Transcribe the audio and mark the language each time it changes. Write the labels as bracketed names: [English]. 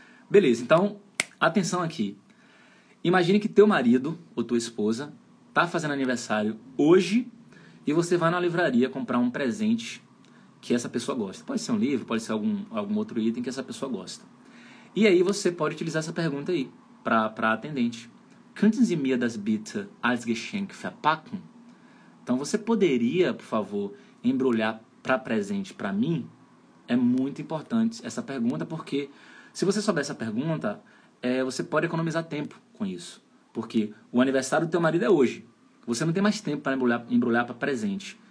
[Portuguese] Beleza, então, atenção aqui. Imagine que teu marido ou tua esposa está fazendo aniversário hoje e você vai na livraria comprar um presente que essa pessoa gosta. Pode ser um livro, pode ser algum outro item que essa pessoa gosta. E aí você pode utilizar essa pergunta aí para a atendente. [German] Könnten Sie mir das bitte als Geschenk verpacken? [Portuguese] Então você poderia, por favor, embrulhar para presente para mim? É muito importante essa pergunta, porque se você souber essa pergunta, você pode economizar tempo com isso. Porque o aniversário do teu marido é hoje. Você não tem mais tempo para embrulhar para presente.